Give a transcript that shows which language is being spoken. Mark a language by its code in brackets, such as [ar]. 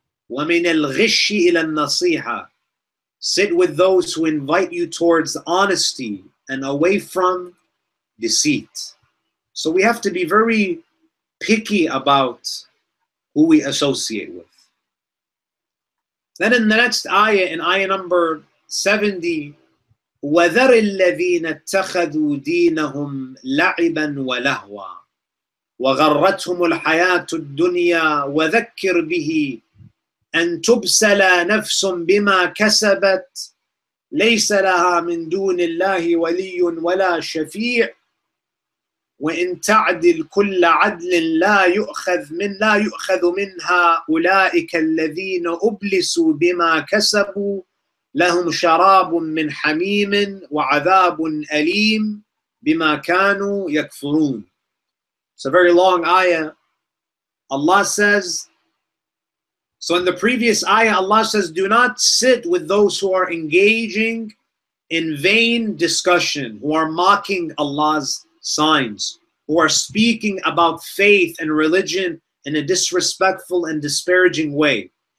[ar] وَمِنْ الْغِشِّ إِلَى النَّصِيحَةِ, [en] sit with those who invite you towards honesty and away from deceit. So we have to be very picky about who we associate with. Then in the next ayah, in ayah number 70, [ar] وَذَرِ الَّذِينَ اتَّخَذُوا دِينَهُمْ لَعِبًا وَلَهْوًا وَغَرَّتْهُمُ الْحَيَاةُ الدُّنْيَا وَذَكِّرْ بِهِ أَنْ تُبْسَلَ نَفْسٌ بِمَا كَسَبَتْ لَيْسَ لَهَا مِنْ دُونِ اللَّهِ وَلِيٌّ وَلَا شَفِيعٌ وَإِنْ تَعْدِلْ كُلَّ عَدْلٍ لَا يُؤْخَذُ مِنْهَا أُولَئِكَ الَّذِينَ أُبْلِسُوا بِمَا كَسَبُوا لَهُمْ شَرَابٌ مِنْ حَمِيمٍ وَعَذَابٌ أَلِيمٌ بِمَا كَانُوا يَكْفُرُونَ. [en] It's a very long ayah. Allah says, so in the previous ayah, Allah says, do not sit with those who are engaging in vain discussion, who are mocking Allah's signs, who are speaking about faith and religion in a disrespectful and disparaging way.